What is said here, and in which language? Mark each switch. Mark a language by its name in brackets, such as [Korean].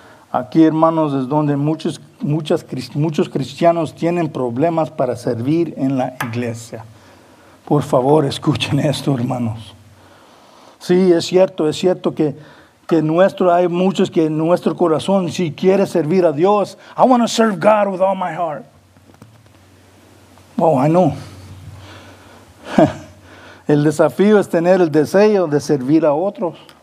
[Spanish] Aquí, hermanos, es donde muchos cristianos tienen problemas para servir en la iglesia. Por favor, escuchen esto, hermanos. Sí, es cierto que hay muchos que en nuestro corazón si quiere servir a Dios. [English] I want to serve God with all my heart. Oh, I know. [Spanish] El desafío es tener el deseo de servir a otros.